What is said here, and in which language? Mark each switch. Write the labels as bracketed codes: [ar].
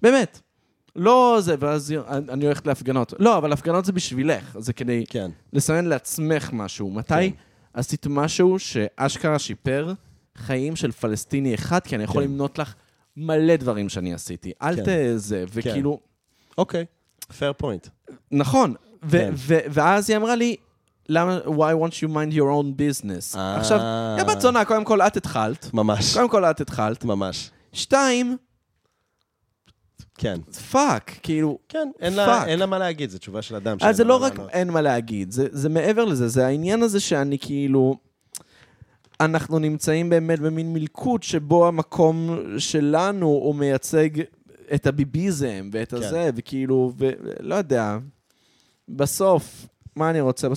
[he] באמת. לא זה, ואז אני הולכת להפגנות. לא, אבל הפגנות זה בשבילך. זה כדי כן. לסמן לעצמך משהו. מתי כן. עשית משהו שאשכרה שיפר חיים של פלסטיני אחד? כי אני יכול כן. למנות לך מלא דברים שאני עשיתי. כן. אל תזה, וכאילו... [en] אוקיי, fair point. [he] נכון. ואז היא אמרה לי, [en] why won't you mind your own business? [he] עכשיו, יבת זונה, קודם כל את התחלת. ממש. קודם כל את התחלת. ממש. שתיים... כן. פאק, כאילו, כן, אין לה מה להגיד, זו תשובה של אדם. אז זה לא רק אין מה להגיד, זה מעבר לזה, זה העניין הזה שאני כאילו, אנחנו נמצאים באמת במין מלכות שבו המקום שלנו הוא מייצג את הביביזם ואת הזה, וכאילו, ולא יודע, בסוף, מה אני רוצה?